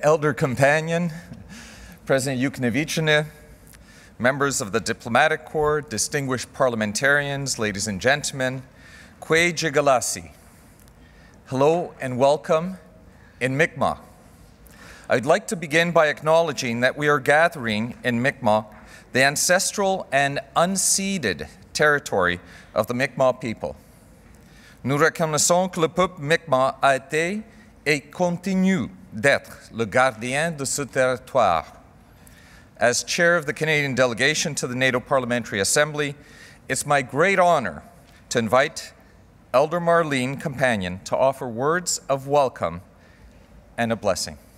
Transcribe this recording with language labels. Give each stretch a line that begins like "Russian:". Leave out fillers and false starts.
English: Elder Companion, President Yuknevichene, members of the Diplomatic Corps, distinguished parliamentarians, ladies and gentlemen, Kwe Jigalasi. Hello and welcome in Mi'kmaq. I'd like to begin by acknowledging that we are gathering in Mi'kmaq, the ancestral and unceded territory of the Mi'kmaq people.
French: Nous reconnaissons que le peuple Mi'kmaq a été et continue d'être le gardien de ce territoire.
English: As chair of the Canadian delegation to the NATO Parliamentary Assembly, it's my great honor to invite Elder Marlene Compagnon to offer words of welcome and a blessing.